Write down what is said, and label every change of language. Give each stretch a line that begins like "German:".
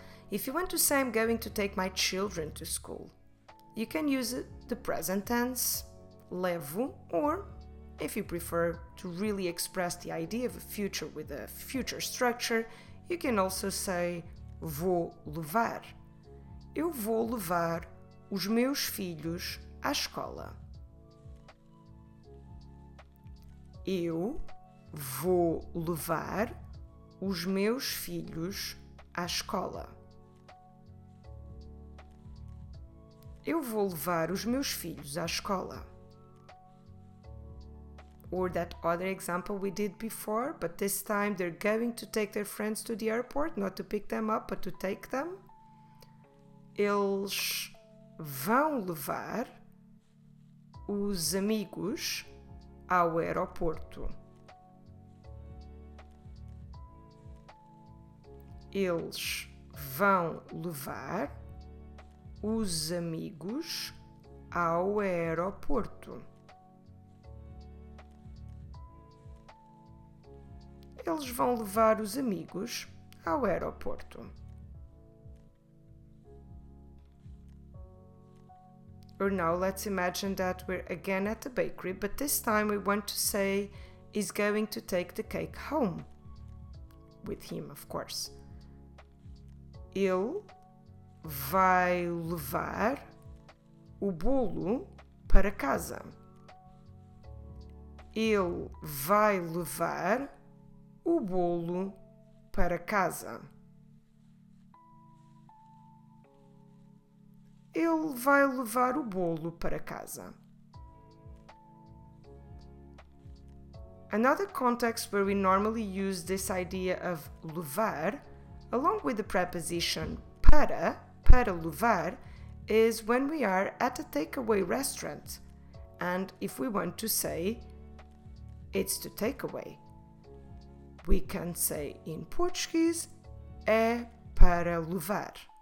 English: If you want to say, I'm going to take my children to school, you can use the present tense, levo, or if you prefer to really express the idea of a future with a future structure, you can also say,
Portuguese: vou levar. Eu vou levar os meus filhos à escola. Eu vou levar os meus filhos à escola. Eu vou levar os meus filhos à escola.
English: Or that other example we did before, but this time they're going to take their friends to the airport, not to pick them up, but to take them.
Portuguese: Eles vão levar os amigos ao aeroporto. Eles vão levar os amigos ao aeroporto. Eles vão levar os amigos ao aeroporto.
English: Or now let's imagine that we're again at the bakery, but this time we want to say he's going to take the cake home with him, of course.
Portuguese: Ele vai levar o bolo para casa. Ele vai levar o bolo para casa. Ele vai levar o bolo para casa.
English: Another context where we normally use this idea of levar, along with the preposition
Portuguese: para levar,
English: is when we are at a takeaway restaurant. And if we want to say, it's to take away, we can say in Portuguese,
Portuguese: é para levar.